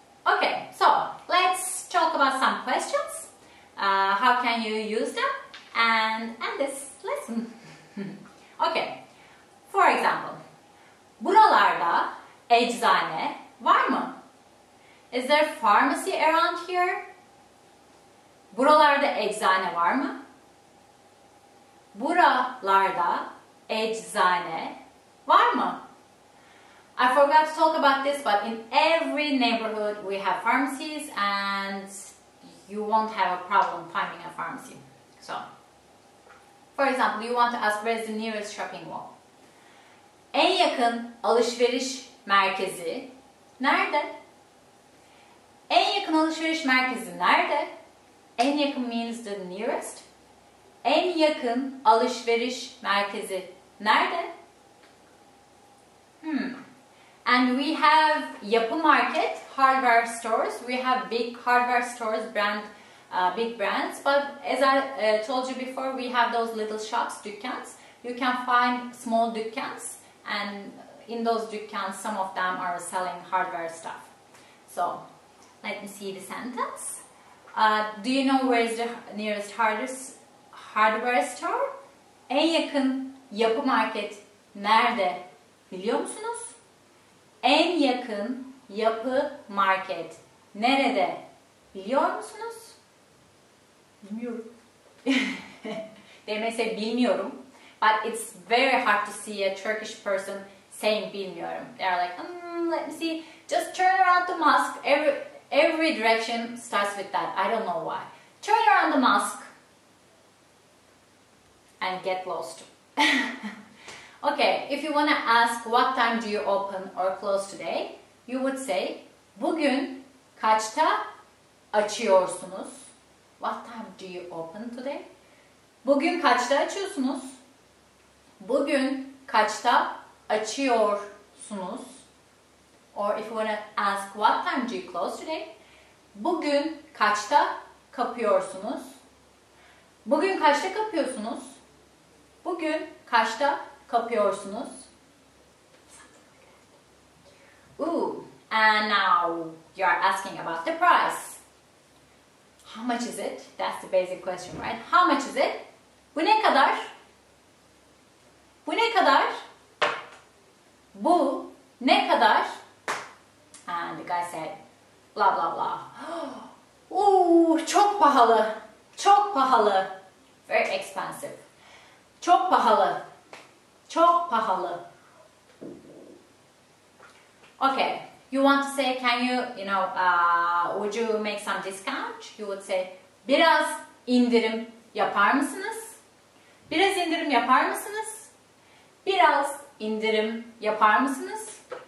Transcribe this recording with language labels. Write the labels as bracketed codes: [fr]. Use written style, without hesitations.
[en] Okay, so let's talk about some questions. How can you use them? And this lesson. Okay, for example, [tr] buralarda eczane var mı? [en] Is there pharmacy around here? [tr] Buralarda eczane var mı? Buralarda eczane var mı? [en] I forgot to talk about this, but in every neighborhood we have pharmacies, and you won't have a problem finding a pharmacy. So, for example, you want to ask where is the nearest shopping mall? [tr] En yakın alışveriş merkezi nerede? En yakın alışveriş merkezi nerede? En yakın [en] means the nearest. [tr] En yakın alışveriş merkezi nerede? [en] And we have Yapı Market, hardware stores. We have big hardware stores, big brands. But as I told you before, we have those little shops, dükkans. You can find small dükkans. And in those dükkans, some of them are selling hardware stuff. So, let me see the sentence. Do you know where is the nearest hardware store? [tr] En yakın yapı market nerede biliyor musunuz? En yakın yapı market nerede biliyor musunuz? Bilmiyorum. [en] They may say bilmiyorum. But it's very hard to see a Turkish person saying bilmiyorum. They're like, let me see. Just turn around the mosque. Every direction starts with that. I don't know why. Turn around the mosque and get lost. Okay, if you want to ask what time do you open or close today, you would say, [tr] bugün kaçta açıyorsunuz? [en] What time do you open today? [tr] Bugün kaçta açıyorsunuz? Bugün kaçta açıyorsunuz? [en] Or if you want to ask what time do you close today? [tr] Bugün kaçta kapıyorsunuz? Bugün kaçta kapıyorsunuz? Bugün kaçta kapıyorsunuz? [en] Ooh, and now you are asking about the price. How much is it? That's the basic question, right? How much is it? [tr] Bu ne kadar? Bu ne kadar? Bu ne kadar? [en] And the guy said, blah, blah, blah. [tr] Ooh, çok pahalı. Çok pahalı. [en] Very expensive. [tr] Çok pahalı. Çok pahalı. [en] Okay, you want to say, can you, you know, would you make some discount? You would say, [tr] biraz indirim yapar mısınız? Biraz indirim yapar mısınız? Biraz indirim yapar mısınız?